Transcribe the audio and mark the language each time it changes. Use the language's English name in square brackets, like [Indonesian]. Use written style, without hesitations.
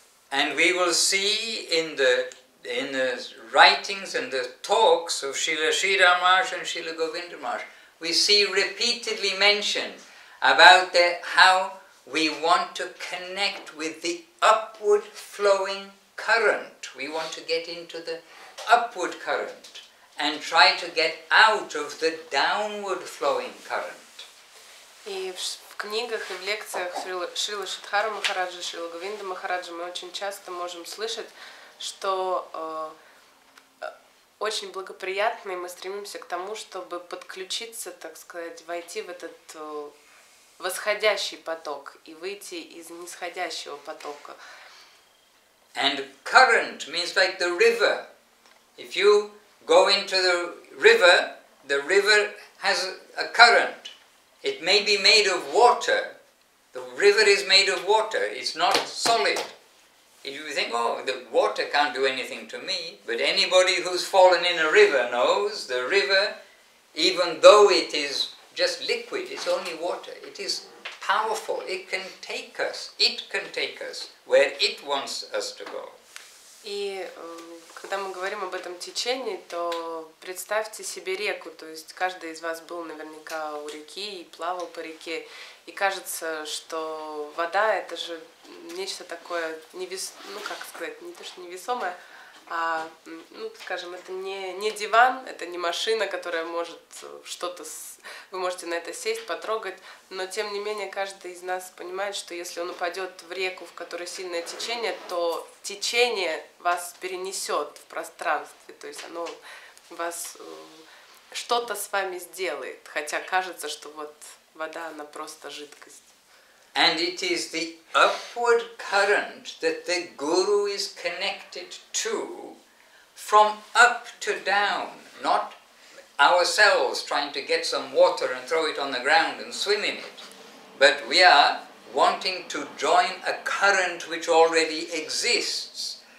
[English] And we will see in the writings and the talks of Srila Sridharmaj and Srila Govindamaj, we see repeatedly mentioned about the, how we want to connect with the upward flowing current. We want to get into the upward current and try to get out of the downward flowing current. [Russian] В книгах и в лекциях Шрилы Шридхара Махараджа, Шрилы Говинда Махараджа мы очень часто можем слышать, что очень благоприятно, и мы стремимся к тому, чтобы подключиться, так сказать, войти в этот восходящий поток и выйти из нисходящего потока. [English] And current means like the river. If you go into the river has a current. It may be made of water. The river is made of water. It's not solid. If you think, oh, the water can't do anything to me, but anybody who's fallen in a river knows the river, even though it is just liquid, it's only water. It is powerful. It can take us. It can take us where it wants us to go. [Russian] И когда мы говорим об этом течении, то представьте себе реку. То есть каждый из вас был наверняка у реки и плавал по реке. И кажется, что вода — это же нечто такое невесомое, ну, скажем, это не диван, это не машина, которая может что-то, вы можете на это сесть, потрогать, но тем не менее каждый из нас понимает, что если он упадет в реку, в которой сильное течение, то течение вас перенесет в пространстве, то есть оно вас что-то с вами сделает, хотя кажется, что вот вода, она просто жидкость. [English] And it is the upward current that the guru is connected to from up to down, not ourselves trying to get some water and throw it on the ground and swim in it, but we are wanting to join a current which already exists.